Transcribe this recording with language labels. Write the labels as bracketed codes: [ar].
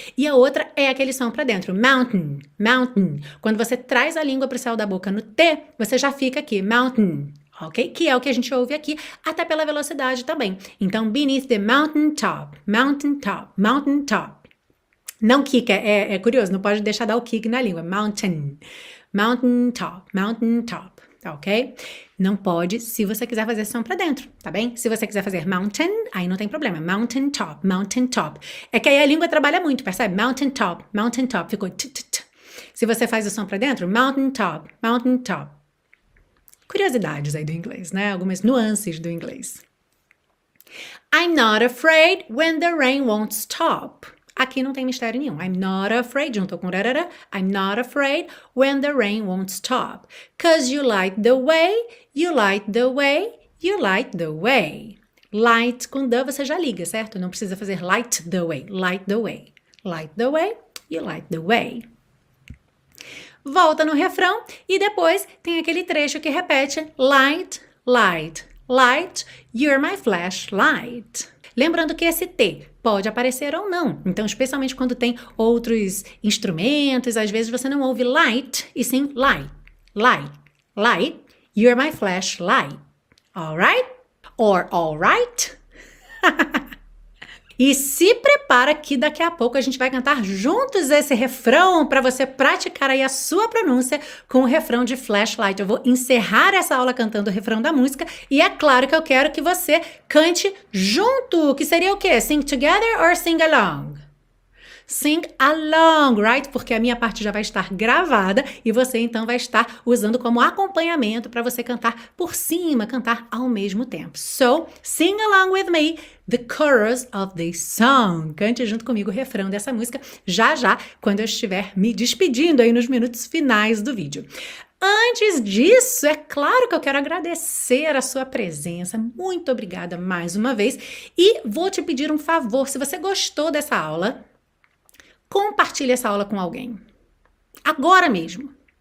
[pt] E a outra é aquele som para dentro. [en] Mountain, mountain. [pt] Quando você traz a língua para o céu da boca no T, você já fica aqui. [en] Mountain, [pt] ok? Que é o que a gente ouve aqui, até pela velocidade também. Então, [en] beneath the mountain top, mountain top, mountain top. [pt] Não quica, é curioso, não pode deixar dar o quique na língua. [en] Mountain, mountain top, mountain top. Ok? [pt] Não pode se você quiser fazer som para dentro, tá bem? Se você quiser fazer mountain, aí não tem problema. [en] Mountain top, mountain top. [pt] É que aí a língua trabalha muito, percebe? [en] Mountain top, mountain top. [pt] Ficou t-t-t. Se você faz o som para dentro, [en] mountain top, mountain top. [pt] Curiosidades aí do inglês, né? Algumas nuances do inglês. [en] I'm not afraid when the rain won't stop. [pt] Aqui não tem mistério nenhum. [en] I'm not afraid, [pt] junto com [en] rarara. I'm not afraid when the rain won't stop. 'Cause you light the way, you light the way, you light the way. [pt] Light com the você já liga, certo? Não precisa fazer [en] light the way, light the way. Light the way, you light the way. [pt] Volta no refrão e depois tem aquele trecho que repete: [en] light, light, light, you're my flashlight. [pt] Lembrando que esse T pode aparecer ou não. Então, especialmente quando tem outros instrumentos, às vezes você não ouve light e sim light. [en] Light. Light. You're my flashlight. Alright? Or alright? [pt] E se prepara que daqui a pouco a gente vai cantar juntos esse refrão para você praticar aí a sua pronúncia com o refrão de flashlight. Eu vou encerrar essa aula cantando o refrão da música e é claro que eu quero que você cante junto, que seria o quê? [en] Sing together or sing along? Sing along, right? [pt] Porque a minha parte já vai estar gravada e você então vai estar usando como acompanhamento para você cantar por cima, cantar ao mesmo tempo. [en] So, sing along with me the chorus of this song. [pt] Cante junto comigo o refrão dessa música já já, quando eu estiver me despedindo aí nos minutos finais do vídeo. Antes disso, é claro que eu quero agradecer a sua presença. Muito obrigada mais uma vez e vou te pedir um favor, se você gostou dessa aula, compartilhe essa aula com alguém. Agora mesmo.